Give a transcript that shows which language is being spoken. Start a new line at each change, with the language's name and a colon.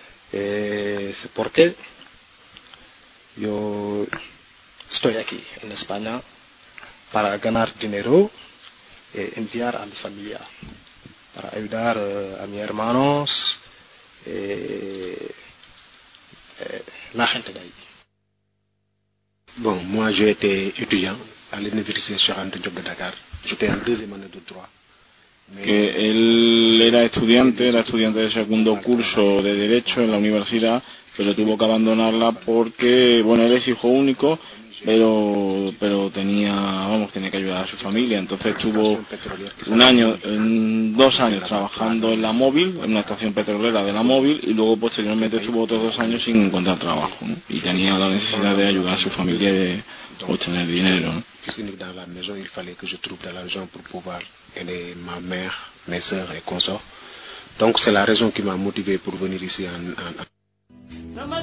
Spanish: Es porque yo estoy aquí en España para ganar dinero y enviar a mi familia, para ayudar a mis hermanos y la gente de ahí.
French: Bon, moi j'ai été étudiant à l'université Charente Diop de Dakar. J'étais en deuxième année de droit.
Spanish: Que él era estudiante de segundo curso de Derecho en la universidad, pero tuvo que abandonarla porque, bueno, él es hijo único, pero tenía, vamos, tenía que ayudar a su familia. Entonces estuvo un año, dos años trabajando en la móvil, en una estación petrolera de la móvil, y luego posteriormente estuvo otros dos años sin encontrar trabajo, ¿no? Y tenía la necesidad de ayudar a su familia y de obtener dinero, ¿no?
French: Et ma mère, mes sœurs et consorts. Donc c'est la raison qui m'a motivé pour venir ici en